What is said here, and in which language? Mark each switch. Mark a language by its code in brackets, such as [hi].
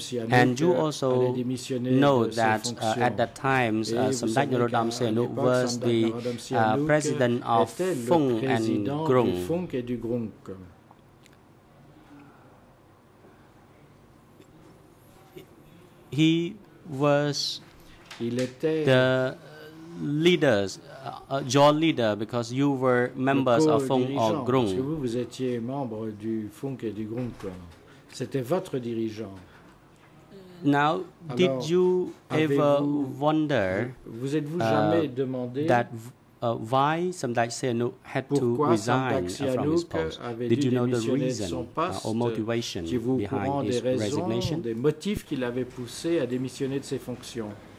[en] And you also know that at that time, Samdak Norodom Sihanouk was the president of Fung and Grung. He was the leaders, your leader, because you were members of Fung or Grung. [fr] Parce que vous étiez membre du Fung et du Grung. C'était votre dirigeant. [en] Now, alors, did you ever wonder [fr] vous êtes-vous jamais demandé [en] that why Samdak Sihanouk had to resign from his post? Did you know the reason or motivation behind his resignation? [fr] Des motifs qui l'avaient poussé à démissionner de ses fonctions.